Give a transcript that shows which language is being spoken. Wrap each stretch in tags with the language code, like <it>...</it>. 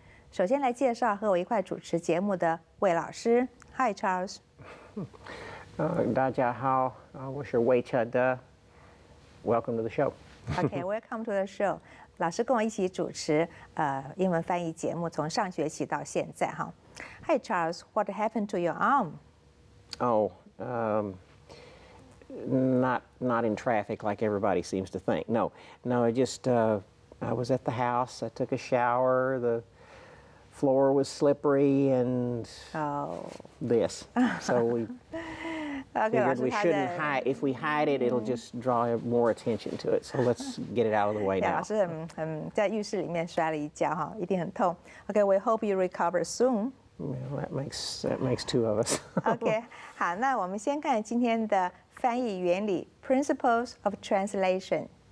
<zh>首先来介绍和我一块主持节目的魏老师。</zh> <en>Hi, Charles。</en> <zh>大家好，我是魏晨的。</zh> <en>Welcome to the show。 Okay, welcome to the show。</en> <zh>老师跟我一起主持英文翻译节目，从上学期到现在哈。</zh> <en>Hi Charles, what happened to your arm? Not in traffic like everybody seems to think. No, I was at the house. I took a shower. The floor was slippery and this. So we okay, figured we shouldn't hide. If we hide it, it'll just draw more attention to it. So let's get it out of the way now.</en> <zh>老师在浴室里面摔了一跤哈，一定很痛。</zh> <en>Okay, we hope you recover soon. Well, that makes two of us.</en> <zh>Okay, 好，那我们先看今天的翻译原理</zh> <en>principles of translation。</en>